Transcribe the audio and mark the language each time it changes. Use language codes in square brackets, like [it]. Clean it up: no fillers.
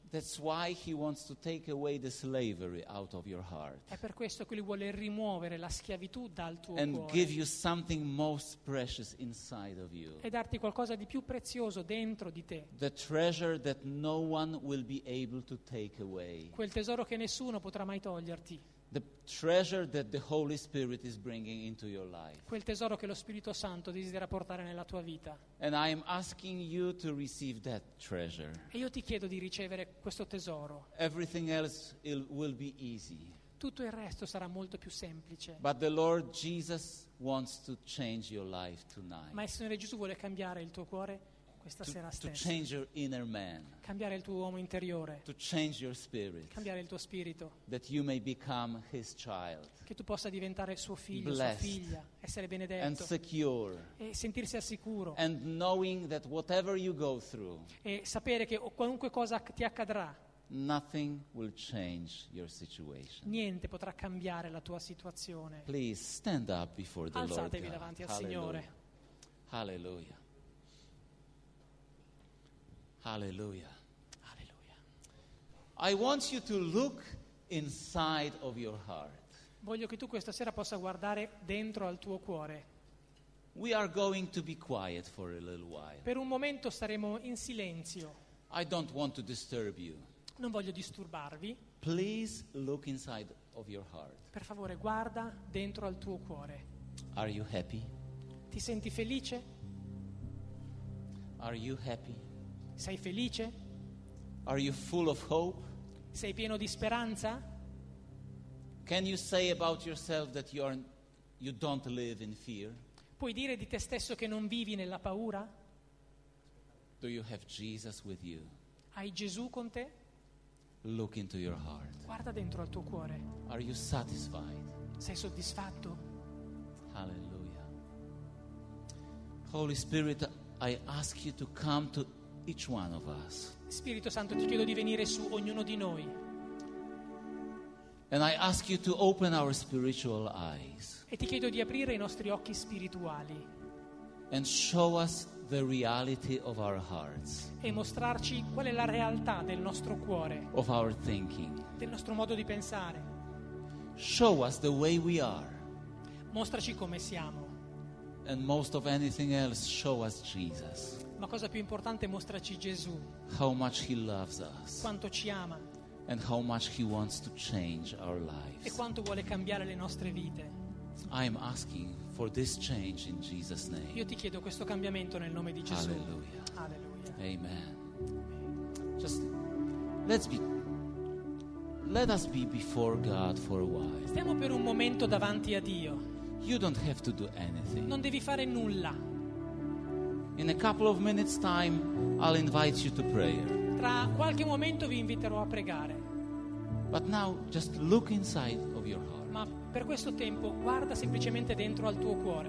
[en] That's why he wants to take away the slavery out of your heart. [it] È per questo che lui vuole rimuovere la schiavitù dal tuo [en] and [it] cuore. [en] And give you something most precious inside of you. [it] E darti qualcosa di più prezioso dentro di te. [en] The treasure that no one will be able to take away. [it] Quel tesoro che nessuno potrà mai toglierti. [en] The treasure that the Holy Spirit is bringing into your life. [it] Quel tesoro che lo Spirito Santo desidera portare nella tua vita. [en] And I am asking you to receive that treasure. [it] E io ti chiedo di ricevere questo tesoro. [en] Everything else will be easy. [it] Tutto il resto sarà molto più semplice. [en] But the Lord Jesus wants to change your life tonight. [it] Ma il Signore Gesù vuole cambiare il tuo cuore questa sera stessa. [en] To change your inner man. [it] Cambiare il tuo uomo interiore. [en] To change your spirit. [it] Cambiare il tuo spirito. [en] That you may become his child. [it] Che tu possa diventare suo figlio, [en] blessed, [it] sua figlia, essere benedetto. [en] And secure. [it] E sentirsi al sicuro. [en] And knowing that whatever you go through. [it] E sapere che qualunque cosa ti accadrà. [en] Nothing will change your situation. [it] Niente potrà cambiare la tua situazione. [en] Please stand up before the [it] alzatevi [en] Lord. [it] Alzatevi davanti al Signore. Hallelujah. Hallelujah. Hallelujah. [en] I want you to look inside of your heart. [it] Voglio che tu questa sera possa guardare dentro al tuo cuore. [en] We are going to be quiet for a little while. [it] Per un momento staremo in silenzio. [en] I don't want to disturb you. [it] Non voglio disturbarvi. [en] Please look inside of your heart. [it] Per favore, guarda dentro al tuo cuore. [en] Are you happy? [it] Ti senti felice? [en] Are you happy? [it] Sei felice? [en] Are you full of hope? [it] Sei pieno di speranza? [en] Can you say about yourself that you don't live in fear? [it] Puoi dire di te stesso che non vivi nella paura? [en] Do you have Jesus with you? [it] Hai Gesù con te? [en] Look into your heart. [it] Guarda dentro al tuo cuore. [en] Are you satisfied? [it] Sei soddisfatto? Hallelujah. [en] Holy Spirit, I ask you to come to each one of us. [it] Spirito Santo, ti chiedo di venire su ognuno di noi. [en] And I ask you to open our spiritual eyes. [it] E ti chiedo di aprire i nostri occhi spirituali. [en] And show us the reality of our hearts. [it] E mostrarci qual è la realtà del nostro cuore. [en] Of our thinking. [it] Del nostro modo di pensare. [en] Show us the way we are. [it] Mostraci come siamo. [en] And most of anything else, show us Jesus. [it] Ma cosa più importante, mostraci Gesù. [en] How much he loves us. [it] Quanto ci ama. [en] And how much he wants to change our lives. [it] E quanto vuole cambiare le nostre vite. [en] I am asking for this change in Jesus' name. [it] Io ti chiedo questo cambiamento nel nome di Gesù. Alleluia. Alleluia. [en] Amen. Just let us be before God for a while. [it] Stiamo per un momento davanti a Dio. [en] You don't have to do anything. [it] Non devi fare nulla. [en] In a couple of minutes time I'll invite you to prayer. [it] Tra qualche momento vi inviterò a pregare. [en] But now just look inside of your heart. [it] Ma per questo tempo guarda semplicemente dentro al tuo cuore.